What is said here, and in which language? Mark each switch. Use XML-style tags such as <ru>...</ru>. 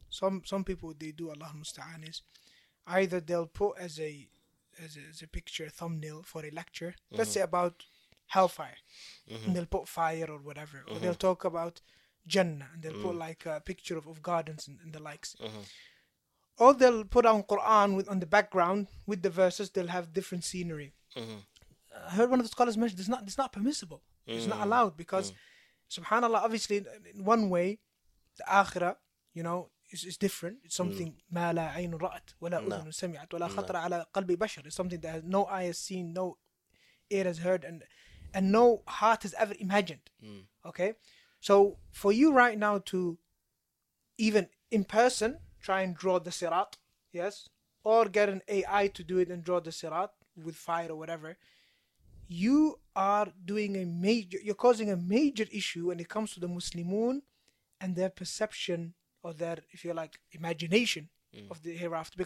<en>Some people, they do Allah Musta'an is either they'll put as a picture, a thumbnail for a lecture, let's say about hellfire, and they'll put fire or whatever, or they'll talk about Jannah, and they'll put like a picture of gardens and the likes. Or they'll put on Quran with on the background with the verses, they'll have different scenery. I heard one of the scholars mention it's not permissible. It's not allowed because, subhanAllah, obviously, in one way, the akhirah, you know, is different. It's something,</en> <ar>ما لا عين رأت ولا أذن سمعت ولا خطر على قلب بشر.</ar> <en>It's something that no eye has seen, no ear has heard, and no heart has ever imagined. Okay? So, for you right now to even in person try and draw the sirat, yes, or get an AI to do it and draw the sirat with fire or whatever, you are doing a major, you're causing a major issue when it comes to the Muslimun and their perception or their, if you like, imagination of the hereafter.</en>